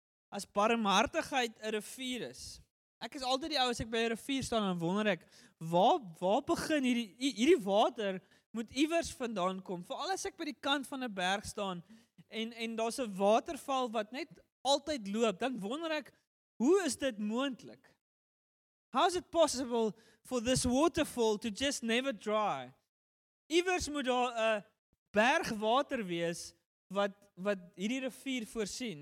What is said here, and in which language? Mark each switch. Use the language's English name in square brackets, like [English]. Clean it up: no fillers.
[Afrikaans] As barmhartigheid 'n rivier is, ek is altyd die ou as ek by 'n rivier staan en wonder ek, waar begin hierdie water moet iewers vandaan kom, veral as ek by die kant van 'n berg staan en daar's 'n waterval wat net altyd loop, dan wonder ek, hoe is dit moontlik? [English] How is it possible for this waterfall to just never dry? [Afrikaans] Iewers moet daar 'n berg water wees wat hierdie rivier voorsien.